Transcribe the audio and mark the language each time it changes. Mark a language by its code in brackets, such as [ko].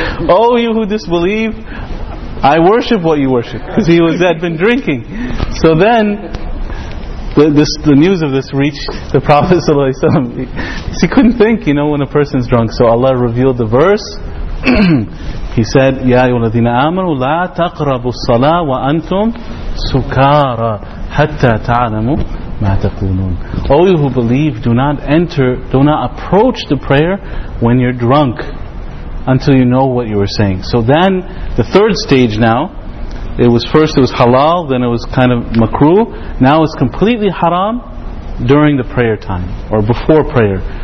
[en] Oh, you who disbelieve, I worship what you worship. Because he had been drinking. So then, the news of this reached the Prophet ﷺ. He couldn't think, you know, when a person's drunk. So Allah revealed the verse. He said, [ar] يَا أَيُّهَا الَّذِينَ آمَنُوا لَا تَقْرَبُوا الصَّلَاةَ وَأَنْتُمْ سُكَارَى حَتَّى تَعْلَمُوا. [en] All you who believe, do not approach the prayer when you're drunk until you know what you were saying. So then, the third stage now, it was halal, then it was kind of makruh, now it's completely haram during the prayer time, or before prayer.